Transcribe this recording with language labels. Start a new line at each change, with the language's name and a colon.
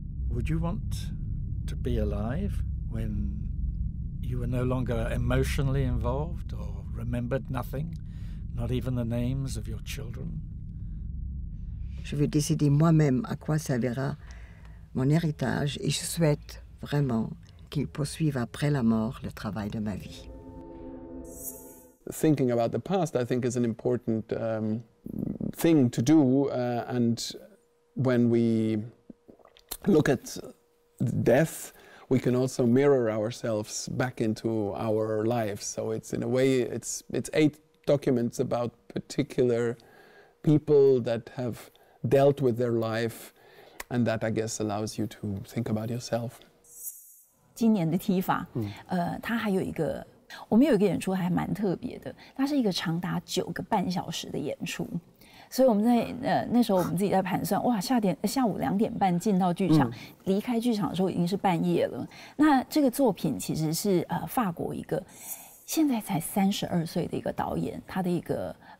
English: Would you want to be alive when you were no longer emotionally involved or remembered nothing, not even the names of your children?
French: Je vais décider moi-même à quoi servira mon héritage et je souhaite vraiment qu'il poursuive après la mort le travail de ma vie.
English: Thinking about the past, I think, is an important thing to do. And when we look at death, we can also mirror ourselves back into our lives. So it's, in a way, it's eight documents about particular people that have dealt with their life. And that, I guess, allows you to think about yourself.
Chinese: 今年的踢法, 它还有一个 我们有一个演出还蛮特别的，它是一个长达九个半小时的演出，所以我们在那时候我们自己在盘算，哇，下午两点半进到剧场，离开剧场之后已经是半夜了。那这个作品其实是法国一个现在才32岁的一个导演，他的一个